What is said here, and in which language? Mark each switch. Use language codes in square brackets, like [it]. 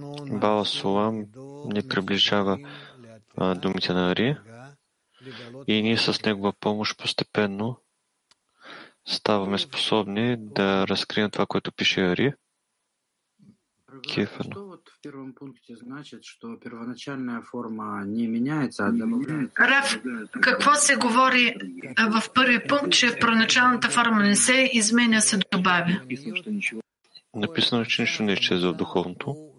[bg] Бала Сула ни приближава думите на Ари и ние с негова помощ постепенно ставаме способни да разкрием това, което пише Ари. Кефано. [ru] В первом пункте значит, что первоначальная форма не меняется, а добавляется. [bg] Раф, какво се говори в първи пункт, че първоначалната форма не се изменя, се добавя? Написано, че нищо не изчезва в духовното.